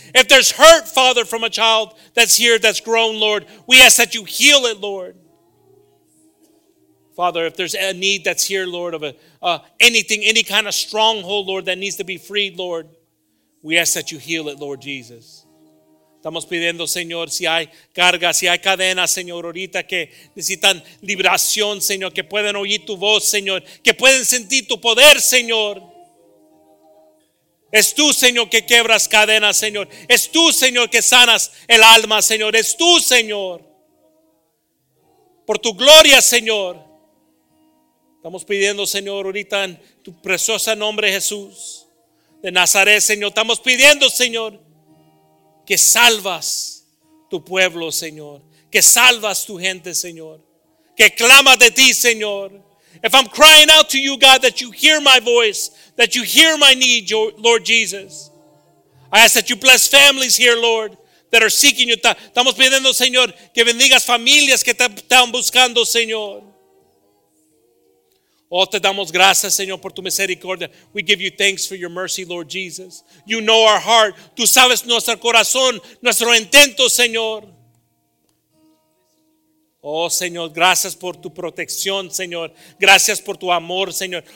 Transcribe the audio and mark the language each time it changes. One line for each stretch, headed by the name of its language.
English: If there's hurt, Father, from a child that's here, that's grown, Lord, we ask that you heal it, Lord. Father, if there's a need that's here, Lord, of anything, any kind of stronghold, Lord, that needs to be freed, Lord, we ask that you heal it, Lord Jesus.
Spanish: Estamos pidiendo, Señor, si hay cargas, si hay cadenas, Señor, ahorita que necesitan liberación, Señor, que pueden oír tu voz, Señor, que pueden sentir tu poder, Señor. Es tú, Señor, que quebras cadenas, Señor. Es tú, Señor, que sanas el alma, Señor. Es tú, Señor. Por tu gloria, Señor. Estamos pidiendo, Señor, ahorita en tu preciosa nombre, Jesús de Nazaret, Señor. Estamos pidiendo, Señor, que salvas tu pueblo, Señor. Que salvas tu gente, Señor. Que clama de ti, Señor.
English: If I'm crying out to you, God, that you hear my voice, that you hear my need, Lord Jesus. I ask that you bless families here, Lord, that are seeking you.
Spanish: Estamos pidiendo, Señor, que bendigas familias que te están buscando, Señor. Oh, te damos gracias, Señor, por tu misericordia.
English: We give you thanks for your mercy, Lord Jesus. You know our heart.
Spanish: Tú sabes nuestro corazón, nuestro intento, Señor. Oh, Señor, gracias por tu protección, Señor. Gracias por tu amor, Señor.